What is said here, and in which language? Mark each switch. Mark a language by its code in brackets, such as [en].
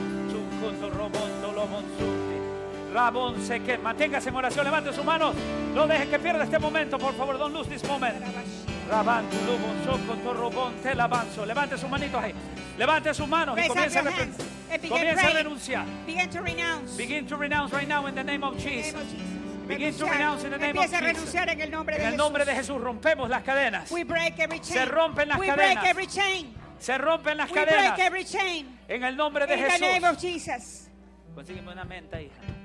[es] Chuncoto, robonto, lobonzuti. Rabón se quema. Manténgase en oración, levante su mano. No deje que pierda este momento, por favor. [en] Don't lose this moment. Rabando, lobo, soco, torrobón, te lavanzo. [es] Levante sus manitos ahí. Levante sus manos y comience a renunciar. [en] Begin to renounce. Begin to renounce right now in the name of Jesus. Begin to renounce in the name of Jesus. [es] Empieza a renunciar en el nombre de Jesús. En el nombre de Jesús rompemos las cadenas. [en] We break every chain. [es] Se rompen las cadenas. [en] We break every chain. [es] Se rompen las [en] We [es] cadenas. [en] We break every chain. [es] En el nombre de Jesús. [en] In the name of Jesus. [es] Consígueme una menta, hija.